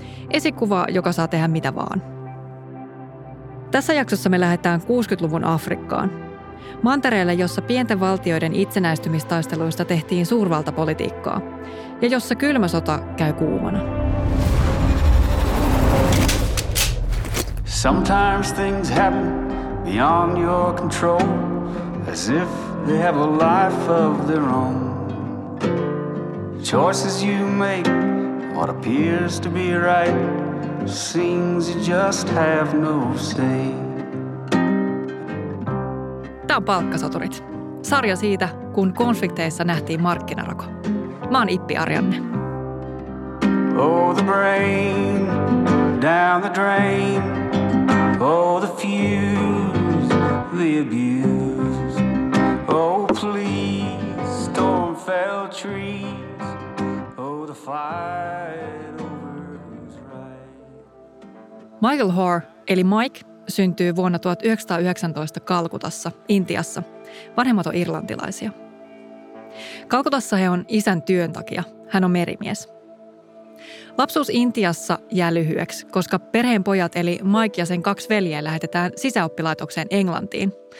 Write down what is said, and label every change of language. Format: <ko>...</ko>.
<fi>Esikuva, joka saa tehdä mitä vaan. Tässä jaksossa me lähdetään 60-luvun Afrikkaan. Mantereelle, jossa pienten valtioiden itsenäistymistaisteluista tehtiin suurvaltapolitiikkaa. Ja jossa kylmä sota käy kuumana.</fi> <en>Sometimes things happen beyond your control, as if they have a life of their own. Choices you make, what appears to be right, seems you just have no say.</en> <fi>Tämä on Palkkasoturit. Sarja siitä, kun konflikteissa nähtiin markkinarako. Mä oon Ippi Arjanne.</fi> <en>Oh the brain, down the drain. Oh the fuse, the abuse. Oh please, storm fell trees. Oh the fight over who's right.</en> <fi>Michael Hoare, eli Mike, syntyy vuonna 1919 Kalkutassa, Intiassa. Vanhemmat on irlantilaisia. Kalkutassa he on isän työn takia. Hän on merimies. Lapsuus Intiassa jää lyhyeksi, koska perheen pojat eli Mike ja sen kaksi veljeä lähetetään sisäoppilaitokseen Englantiin.</fi>